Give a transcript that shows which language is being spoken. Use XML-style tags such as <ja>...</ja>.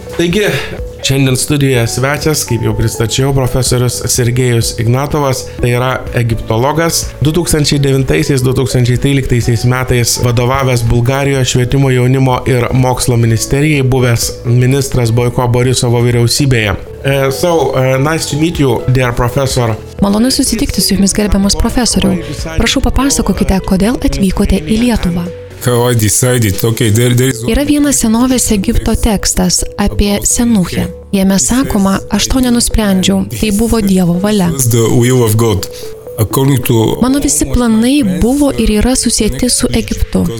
<lt>Taigi, šiandien studijoje svečias, kaip jau pristačiau, profesorius Sergejus Ignatovas, tai yra egiptologas, 2009-2013 metais vadovavęs Bulgarijos švietimo jaunimo ir mokslo ministerijai, buvęs ministras Boiko Borisovo vyriausybėje.</lt> <en>Nice to meet you, dear professor.</en> <lt>Malonu susitikti su jumis, gerbiamas profesoriau. Prašau, papasakokite, kodėl atvykote į Lietuvą. Yra vienas senovės Egipto tekstas apie Senuchę. Jame sakoma, aš to nenusprendžiau, tai buvo Dievo valia. Mano visi planai buvo ir yra susieti su Egiptu.</lt>